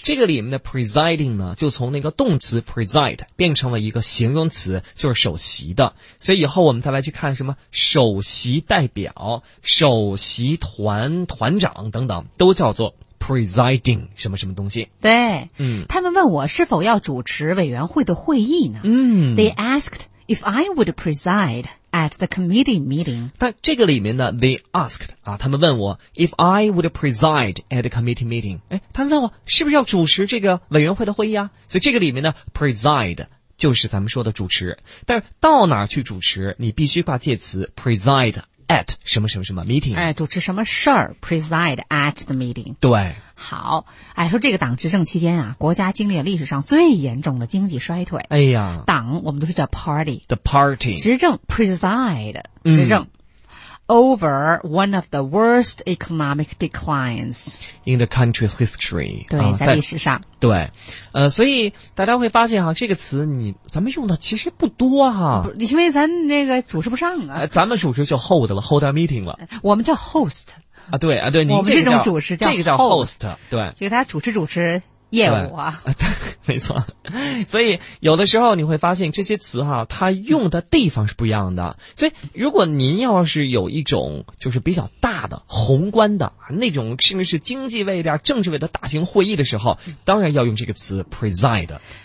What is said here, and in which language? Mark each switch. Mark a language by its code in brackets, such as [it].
[zh] 这个里面的 presiding 呢，就从那个动词 preside 变成了一个形容词，就是首席的。所以以后我们再来去看什么首席代表、首席团团长等等，都叫做 presiding 什么什么东西。对，嗯，他们问我是否要主持委员会的会议呢？嗯 [en] ，they asked if I would preside。 At the committee meeting， [zh] 但这个里面呢 ， [en] they asked [zh] 啊，他们问我 ， [en] if I would preside at the committee meeting， [zh] 哎，他们问我是不是要主持这个委员会的会议啊？所以这个里面呢 ，preside 就是咱们说的主持，但是到哪儿去主持，你必须把介词 preside at 什么什么什么 meeting，哎，主持什么事儿 ， [en] preside at the meeting， [zh] 对。好，哎，说这个党执政期间啊，国家经历了历史上最严重的经济衰退。哎呀，党我们都是叫 party，the [en] party [zh] 执政 preside 执政、嗯、 [en] over one of the worst economic declines in the country's history。 [zh] 对，在历史上，对，所以大家会发现哈、啊，这个词你咱们用的其实不多哈、啊，因为咱那个主持不上啊，咱们主持就 hold 了 ， [en] hold a meeting [zh] 了，我们叫 host。啊对啊对，我们这种主持叫 [en] host， [zh] 这个叫 host， 对，就给他主持主持业务啊，对，没错。所以有的时候你会发现这些词哈，它用的地方是不一样的。所以如果您要是有一种就是比较大的宏观的那种，甚至是经济位的、政治位的大型会议的时候，当然要用这个词 preside。